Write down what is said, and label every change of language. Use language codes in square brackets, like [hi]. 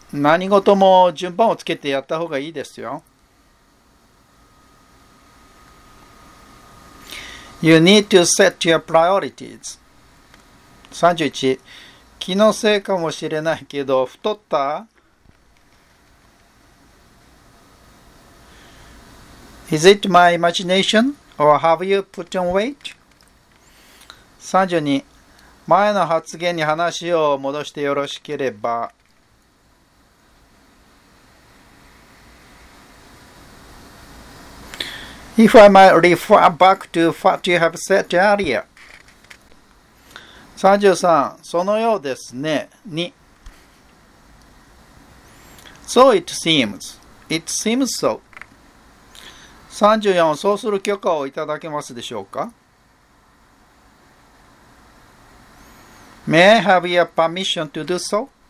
[ja] 何事も順番をつけてやった方がいいですよ。 [en] You need to set your priorities. 31. [ja] 気のせいかもしれないけど、太った? [en] Is it my imagination or have you put on weight? 32. [ja] 前の発言に話を戻してよろしければ。 [en] If I might refer back to what you have said earlier. [ja] 33. そのようですね。2. [en] So it seems. It seems so. 34. [ja] そうする許可をいただけますでしょうか? [en] May I have your permission to do so?